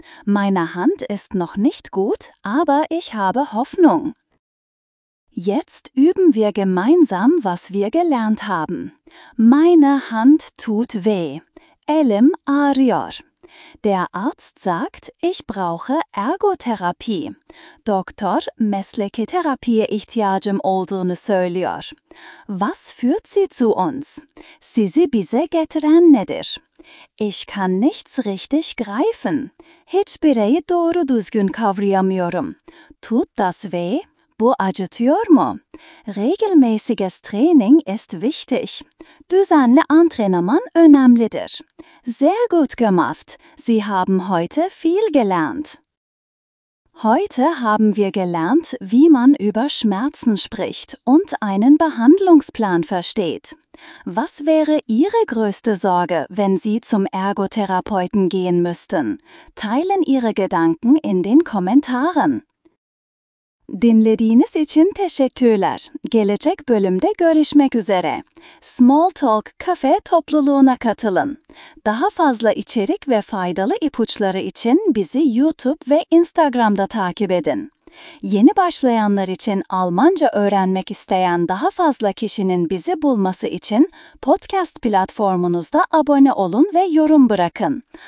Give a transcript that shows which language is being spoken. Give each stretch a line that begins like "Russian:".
German: Meine Hand ist noch nicht gut, aber ich habe Hoffnung. Jetzt üben wir gemeinsam, was wir gelernt haben. Meine Hand tut weh.
Turkish: Elim ağrıyor.
German: Der Arzt sagt, ich brauche Ergotherapie.
Turkish: Doktor, mesleki terapiye ihtiyacım olduğunu söylüyor.
German: Was führt sie zu uns?
Turkish: Sizi bize getiren nedir?
German: Ich kann nichts richtig greifen.
Turkish: Hiçbireyi doğru düzgün kavrayamıyorum.
German: Tut das weh?
Turkish: Bu acıtıyor mu?
German: Regelmäßiges Training ist wichtig.
Turkish: Düzenli antrenman önemlidir.
German: Sehr gut gemacht. Sie haben heute viel gelernt. Heute haben wir gelernt, wie man über Schmerzen spricht und einen Behandlungsplan versteht. Was wäre Ihre größte Sorge, wenn Sie zum Ergotherapeuten gehen müssten? Teilen Ihre Gedanken in den Kommentaren.
Turkish: Dinlediğiniz için teşekkürler. Gelecek bölümde görüşmek üzere. Small Talk Kafe topluluğuna katılın. Daha fazla içerik ve faydalı ipuçları için bizi YouTube ve Instagram'da takip edin. Yeni başlayanlar için Almanca öğrenmek isteyen daha fazla kişinin bizi bulması için podcast platformunuzda abone olun ve yorum bırakın.